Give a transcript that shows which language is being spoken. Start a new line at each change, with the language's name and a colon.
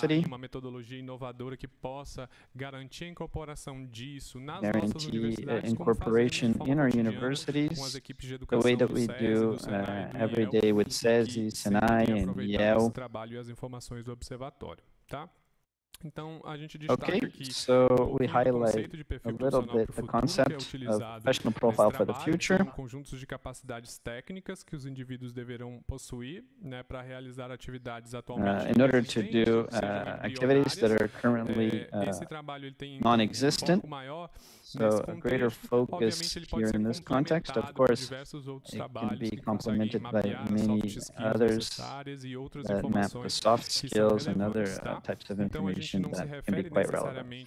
Portuguese: federal, uma metodologia inovadora que possa garantir a incorporação disso nas nossas universidades, como fazemos em forma cotidiana com as equipes de educação do SESI, do SENAI, e SESI, SENAI, e aproveitar esse trabalho e as informações do observatório, tá? Então, a gente destaca aqui
English: so we highlight a little bit the concept of professional profile for the future.
Portuguese: Conjuntos de capacidades técnicas que os indivíduos deverão possuir, né, para realizar atividades atualmente
English: in order to do activities that are currently non-existent. So a greater focus here in this context, of course, it can be complemented by many others that map the soft skills and other types of information that can be quite relevant.